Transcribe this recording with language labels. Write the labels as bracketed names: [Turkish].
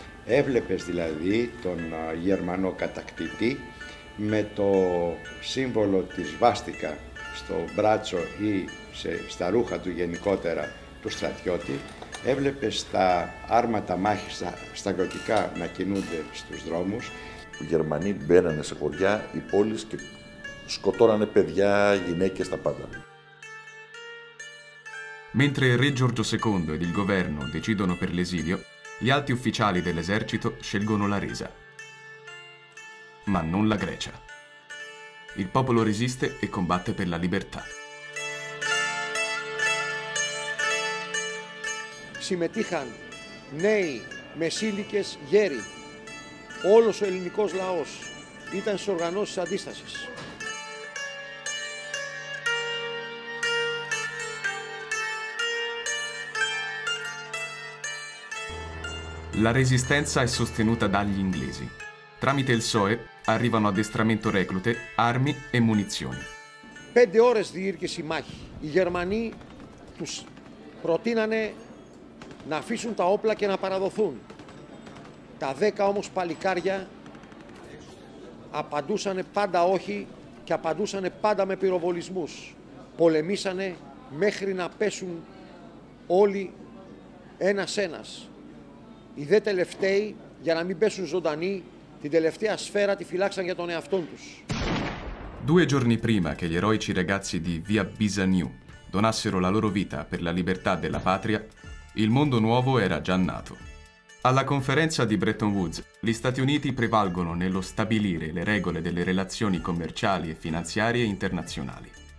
[Greek] Έβλεπες δηλαδή τον Γερμανό κατακτητή με το σύμβολο της βάστικα στο μπράτσο ή στα ρούχα του γενικότερα του στρατιώτη. Έβλεπες τα άρματα μάχης στα γοτικά να κινούνται στους δρόμους. Οι Γερμανοί μπαίνανε σε χωριά ή πόλεις και σκοτώνανε παιδιά, γυναίκες, τα πάντα. [Italian] Mentre il re Giorgio II ed il governo decidono per l'esilio, gli alti ufficiali dell'esercito scelgono la resa. Ma non la Grecia. Il popolo resiste e combatte per la libertà. [Greek] Συμμετείχαν νέοι, μεσήλικες, γέροι. Όλος ο ελληνικός λαός ήταν στις οργανώσεις αντίστασης. [Italian] La resistenza è sostenuta dagli inglesi. Tramite il SOE arrivano addestramento reclute, armi e munizioni. [Greek] 5 ore διήρκησε η μάχη. Οι Γερμανοί τους προτείνανε να αφήσουν τα όπλα και να παραδοθούν. Τα 10 όμως παλικάρια απαντούσανε πάντα όχι και απαντούσανε πάντα με πυροβολισμούς. Πολεμήσανε μέχρι να πέσουν όλοι ένας-ένας. Οι δε τελευταίοι, για να μην πέσουν ζωντανοί, την τελευταία σφαίρα τη φυλάξαν για τον εαυτό τους. [Italian] 2 giorni prima che gli eroici ragazzi di Via Bisagnù donassero la loro vita per la libertà della patria, il mondo nuovo era già nato. Alla conferenza di Bretton Woods, gli Stati Uniti prevalgono nello stabilire le regole delle relazioni commerciali e finanziarie internazionali.